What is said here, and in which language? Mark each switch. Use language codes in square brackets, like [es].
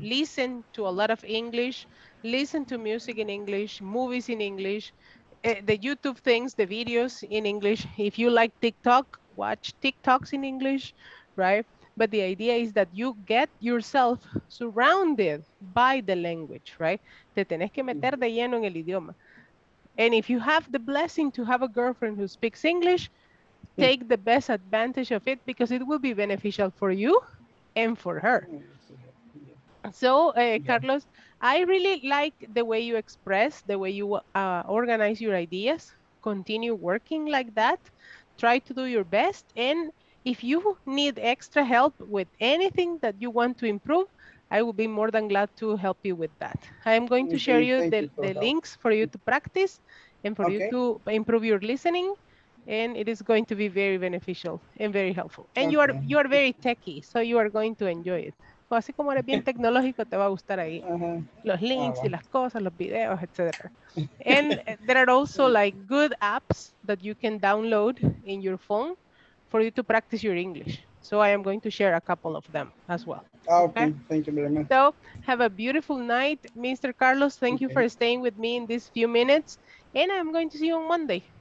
[en] listen to a lot of English, listen to music in English, movies in English, the YouTube things, the videos in English. If you like TikTok, watch TikToks in English, right? But the idea is that you get yourself surrounded by the language, right? [es] Te tenés que meter de lleno en el idioma. [en] And if you have the blessing to have a girlfriend who speaks English, take the best advantage of it because it will be beneficial for you and for her. So, Carlos, I really like the way you express, the way you organize your ideas. Continue working like that. Try to do your best. And if you need extra help with anything that you want to improve, I will be more than glad to help you with that. I am going to share you the links for you to practice and for you to improve your listening. And it is going to be very beneficial and very helpful. And you are very techy, so you are going to enjoy it. [es] So, así como eres bien tecnológico, te va a gustar ahí. Los links y las cosas, los videos, etc. [en] And there are also like good apps that you can download in your phone for you to practice your English. So I am going to share a couple of them as well. Okay. Thank you very much. So have a beautiful night, Mr. Carlos. Thank you for staying with me in these few minutes. And I'm going to see you on Monday.